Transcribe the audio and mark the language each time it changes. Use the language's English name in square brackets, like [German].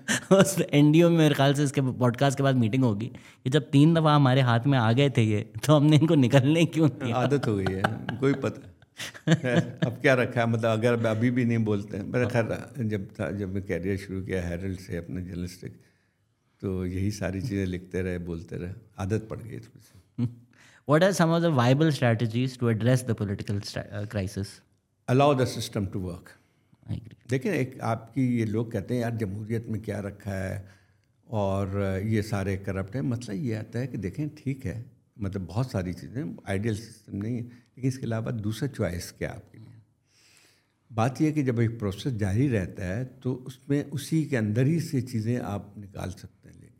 [Urdu] اس N D O میں میرے خیال سے اس کے پوڈ کاسٹ کے بعد میٹنگ ہوگی کہ جب تین دفعہ ہمارے ہاتھ میں آ گئے تھے یہ تو ہم نے ان کو نکلنے کیوں دیا. عادت ہو گئی ہے, کوئی پتہ اب کیا رکھا ہے, مطلب اگر ابھی بھی نہیں بولتے ہیں. میرا خیر جب تھا جب میں کیریئر شروع کیا ہیرلڈ سے اپنے جرنلسٹک, تو یہی ساری چیزیں لکھتے رہے بولتے رہے, عادت پڑ گئی تھوڑی سی. [English] What are some of the viable strategies to address the political crisis? Allow the system to work. I agree. [Urdu] دیکھیں ایک آپ کی یہ لوگ کہتے ہیں یار جمہوریت میں کیا رکھا ہے اور یہ سارے کرپٹ ہیں, مطلب یہ آتا ہے کہ دیکھیں ٹھیک ہے, مطلب بہت ساری چیزیں آئیڈیل سسٹم نہیں ہے, لیکن اس کے علاوہ دوسرا چوائس کیا آپ کے لیے. بات یہ کہ جب ایک پروسیس جاری رہتا ہے تو اس میں اسی کے اندر ہی سے چیزیں آپ نکال سکتے ہیں.